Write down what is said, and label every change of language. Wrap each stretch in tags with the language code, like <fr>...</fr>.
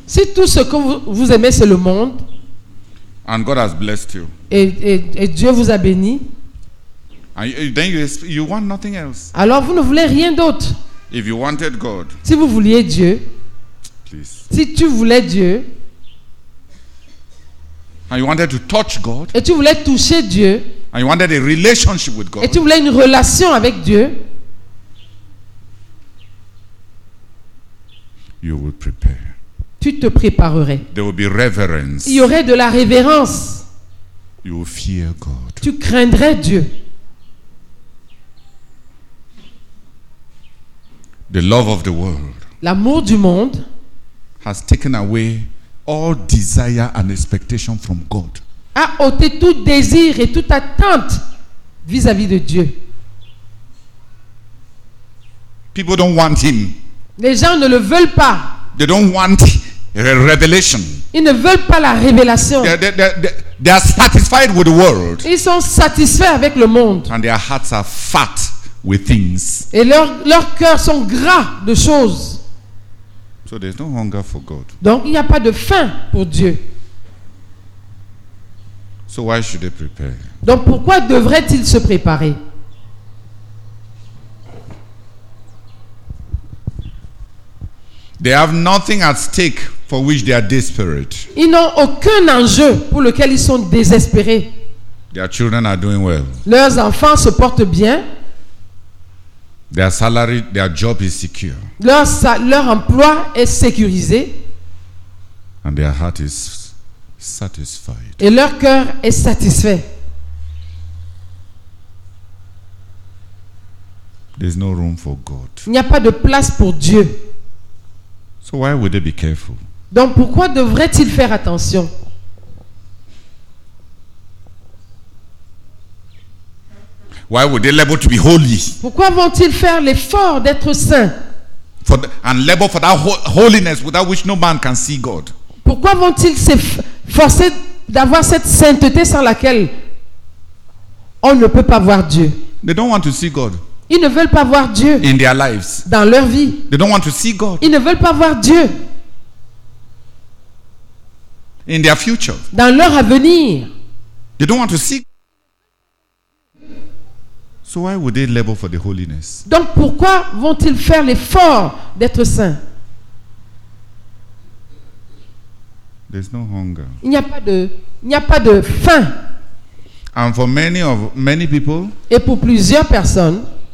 <fr>Si tout ce que vous aimez c'est le monde.</fr> <en>And God has blessed you.</en> <fr>Et Dieu vous a béni.</fr> <en>And then you want nothing else.</en> <fr>Alors vous ne voulez rien d'autre.</fr> <en>If you wanted God.</en> <fr>Si vous vouliez Dieu.</fr> <en>Please.</en> <fr>Si tu voulais Dieu.</fr> <en>And you wanted to touch God.</en> <fr>Et tu voulais toucher Dieu.</fr> <en>And you wanted a relationship with God.</en> <fr>Et tu voulais une relation avec Dieu.</fr> <en>You will prepare.</en> <fr>Tu te préparerais.</fr> <en>There will be reverence.</en> <fr>Il y aurait de la révérence.</fr> <en>You will fear God.</en> <fr>Tu craindrais Dieu.</fr> <en>The love of the world.</en> <fr>L'amour du monde.</fr> <en>Has taken away all desire and expectation from God.</en> <fr>A ôté tout désir et toute attente vis-à-vis de Dieu.</fr> <en>People don't want him.</en> <fr>Les gens ne le veulent pas.</fr> <en>They don't want a revelation.</en> <fr>Ils ne veulent pas la révélation.</fr> <en>They are satisfied with the world.</en> <fr>Ils sont satisfaits avec le monde.</fr> <en>And their hearts are fat with things.</en> <fr>Et leurs cœurs sont gras de choses.</fr> <en>So there's no hunger for God.</en> <fr>Donc il n'y a pas de faim pour Dieu.</fr> <en>So why should they prepare?</en> <fr>Donc pourquoi devraient-ils se préparer?</fr> <en>They have nothing at stake for which they are desperate.</en> <fr>Ils n'ont aucun enjeu pour lequel ils sont désespérés.</fr> <en>Their children are doing well.</en> <fr>Leurs enfants se portent bien.</fr> <en>Their salary, their job is secure.</en> <fr>Leur emploi est sécurisé.</fr> <en>And their heart is satisfied.</en> <fr>Et leur cœur est satisfait.</fr> <en>There's no room for God.</en> <fr>Il n'y a pas de place pour Dieu.</fr> <en>So why would they be careful?</en> <fr>Donc pourquoi devrait-il faire attention?</fr> <en>Why would they labor to be holy?</en> <fr>Pourquoi vont-ils faire l'effort d'être saint?</fr> <en>For the, and labor for that holiness without which no man can see God.</en> <fr>Pourquoi vont-ils s'efforcer d'avoir cette sainteté sans laquelle on ne peut pas voir Dieu?</fr> <en>They don't want to see God.</en> <fr>Ils ne veulent pas voir Dieu</fr> <en>in their lives.</en> <fr>Dans leur vie.</fr> <en>They don't want to see God.</en> <fr>Ils ne veulent pas voir Dieu</fr> <en>in their future.</en> <fr>Dans leur avenir.</fr> <en>They don't want to see. So why would they labor for the holiness?</en> <fr>Donc pourquoi vont-ils faire l'effort d'être saints?</fr> <en>There's no hunger.</en> <fr>Il n'y a pas de faim.</fr> <en>And for many people,</en> <fr>et pour plusieurs personnes,</fr>